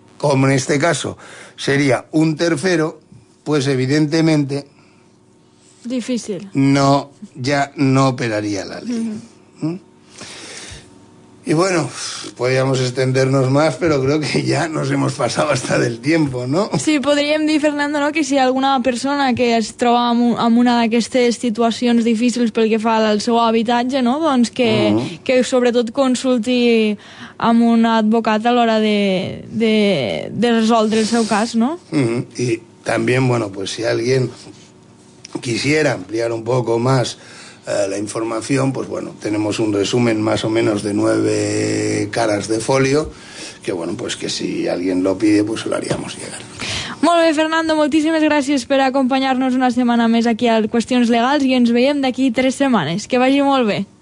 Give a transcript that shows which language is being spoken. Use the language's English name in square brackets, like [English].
[Spanish] Como en este caso sería un tercero, pues evidentemente difícil. No, ya no operaría la ley. Uh-huh. Y bueno, podríamos extendernos más, pero creo que ya nos hemos pasado hasta del tiempo, ¿no? [Catalan] Sí, podríem dir, Fernando, no?, que si alguna persona que es troba en una d'aquestes situacions difícils pel que fa al seu habitatge, no?, doncs que, que sobretot consulti amb un advocat a l'hora de resoldre el seu cas, no? I també, [Spanish] bueno, pues si alguien quisiera ampliar un poco más la información, pues bueno, tenemos un resumen más o menos de 9 caras de folio, que bueno, pues que si alguien lo pide, pues lo haríamos llegar. [Catalan] Molt bé, Fernando, moltíssimes gràcies per acompanyar-nos una setmana més aquí a Qüestions Legals i ens veiem d'aquí 3 setmanes. Que vagi molt bé.